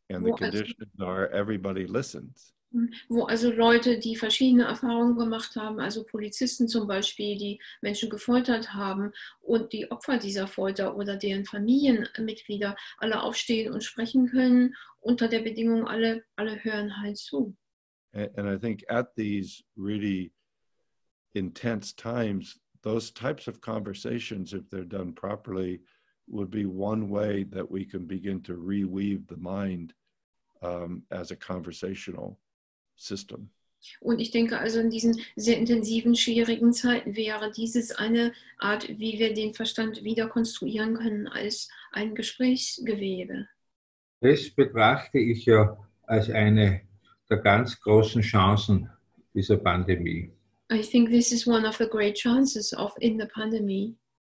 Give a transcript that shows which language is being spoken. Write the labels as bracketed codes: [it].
[en] And the conditions are everybody listens. [de] Wo also Leute, die verschiedene Erfahrungen gemacht haben, also Polizisten zum Beispiel, die Menschen gefoltert haben und die Opfer dieser Folter oder deren Familienmitglieder alle aufstehen und sprechen können, unter der Bedingung, alle hören halt zu. [en] And I think at these really intense times, those types of conversations, if they're done properly, would be one way that we can begin to reweave the mind as a conversational system. [de] Und ich denke also, in diesen sehr intensiven, schwierigen Zeiten wäre dieses eine Art, wie wir den Verstand wieder konstruieren können, als ein Gesprächsgewebe. Das betrachte ich ja als eine der ganz großen Chancen dieser Pandemie. [en] I think this is one of the great chances of in the pandemic.